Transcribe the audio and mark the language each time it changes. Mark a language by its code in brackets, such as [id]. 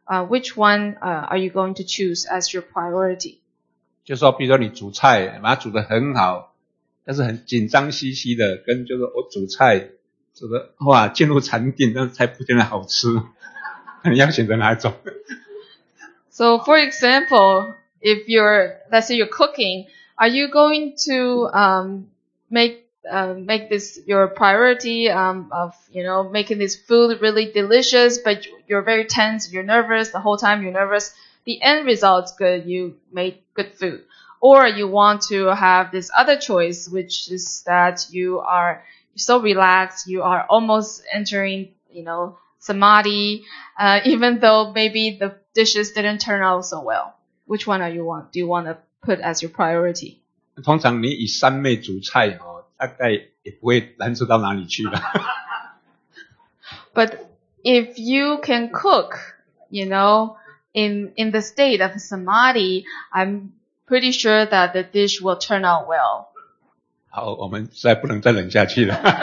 [en] Which one are you going to choose as your priority? [zh] 就说比如说你煮菜，把它煮得很好。但是很紧张兮兮的，跟就是我煮菜，煮的哇进入禅定，那菜不见得好吃。你要选择哪一种 [en] ？So for example, if you're let's say you're cooking, are you going to make this your priority of you know making this food really delicious? But you're very tense, you're nervous the whole time. You're nervous. The end result's good. You made good food. Or you want to have this other choice, which is that you are so relaxed, you are almost entering, you know, samadhi, even though maybe the dishes didn't turn out so well. Which one do you want to put as your priority? [zh] 通常你以三昧煮菜、哦、大概也不会难吃到哪里去吧。 [en] But if you can cook, you know, in the state of samadhi, I'm pretty sure that the dish will turn out well. [zh] 好，我们实在不能再冷下去了。